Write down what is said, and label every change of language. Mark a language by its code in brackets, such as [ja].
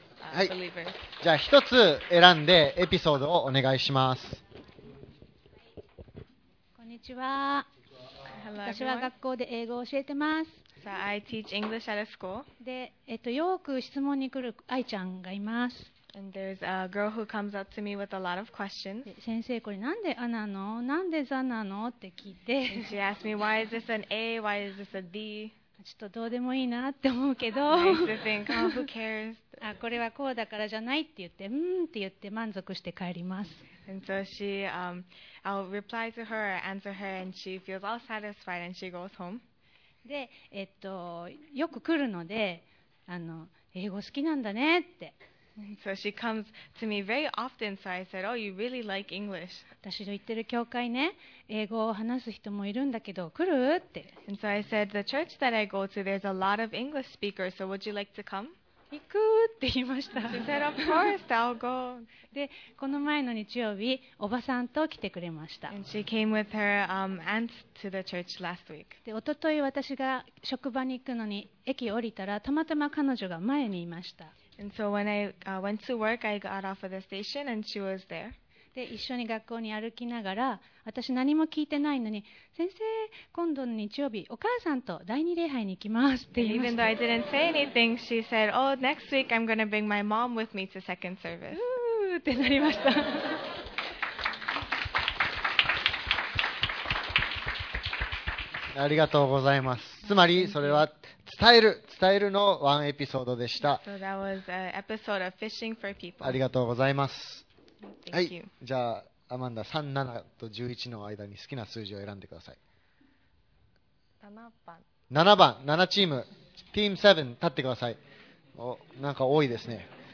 [ja] はい、じゃあ一つ選んでエピソードをお願いします。こんにちは。私は学校で英語を教えてます。 [en] So I teach English at a school. [ja] で、よく質問に来る愛ちゃんがいます。 [en] And there's a girl who comes up to me with a lot of questions. [ja] 先生、これなんでアなの、なんでザなのって聞いて。 [en] She asked me why is this an A, why is this a D. [ja] ちょっとどうでもいいなって思うけど、これはこうだからじゃないって言って、うんって言って満足して帰ります。 [en] And so she, I'll reply to her, answer her, and she feels all satisfied and she goes home. [ja] で、よく来るので、英語好きなんだねって。 [en] And so she comes to me very often, so I said, oh, you really like English. [ja] 私の言ってる教会ね、英語を話す人もいるんだけど、来るって。 [en] And so I said, the church that I go to, there's a lot of English speakers, so would you like to come? [ja] 行くって言いました。 [en] She said, of course, I'll go. [ja] で、この前の日曜日、おばさんと来てくれました。 [en] And she came with her, aunt to the church last week. [ja] で、おととい私が職場に行くのに、駅降りたら、たまたま彼女が前にいました。 [en] And so when I went to work, I got off of the station and she was there. [ja] で、一緒に学校に歩きながら、私何も聞いてないのに、先生、今度の日曜日、お母さんと第二礼拝に行きますって言いました。 [en] Even though I didn't say anything, she said, oh, next week I'm going to bring my mom with me to second service. [ja] ってなりました。ありがとうございます。つまりそれは伝えるのワンエピソードでした。 [en] So that was an episode of fishing for people. [ja] ありがとうございます。 [en] Thank you. [ja] はい。じゃあアマンダ3、7と11の間に好きな数字を選んでください。 7番、 7チーム、チーム7立ってください。お、なんか多いですね。